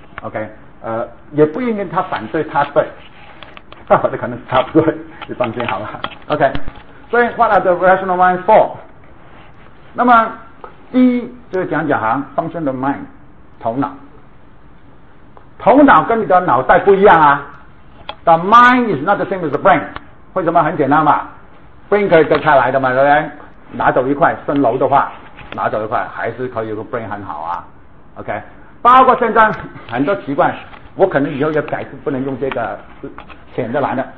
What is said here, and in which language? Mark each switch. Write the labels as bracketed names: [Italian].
[Chinese] OK， 也不一定他反对他对，他反对可能是他不对，你放心好了。 [English] OK， 所以 What are the rational minds for？ [Chinese] 那么第一就是讲讲哈 function of mind， 头脑，头脑跟你的脑袋不一样啊。 [English] The mind is not the same as the brain。 [Chinese] 为什么？很简单嘛， brain 可以割开来的嘛，对不对？拿走一块，蜃楼的话拿走一块还是可以，有个 brain 很好啊。 OK， 包括现在很多习惯我可能以后也改是不能用这个浅的蓝的。